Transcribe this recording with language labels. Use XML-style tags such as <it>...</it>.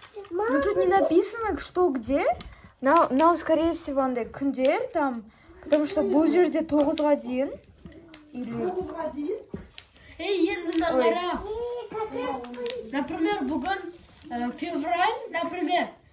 <ru>Ну тут не написано, что где. Но, скорее всего,</ru> <kk>андай, күндер</kk> <ru>там, Потому что</ru> <kk>бұл жерде 9-ға дейін. 9-ға дейін? Эй, енді қара.</kk> <ru>Например,</ru> <kk>бүгін</kk> <ru>февраль, например.</ru>